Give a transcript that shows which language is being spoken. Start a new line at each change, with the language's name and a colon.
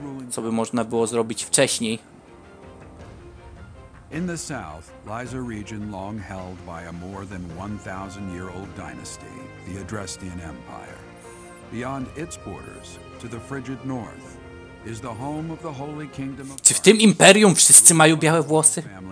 Polish: Co by można było zrobić wcześniej?
English: In the south lies a region long held by a more than 1,000-year-old dynasty, the Adrestian Empire. Beyond its borders, to the frigid north, is the home of the Holy Kingdom of.
Polish: Czy w tym imperium wszyscy mają białe włosy?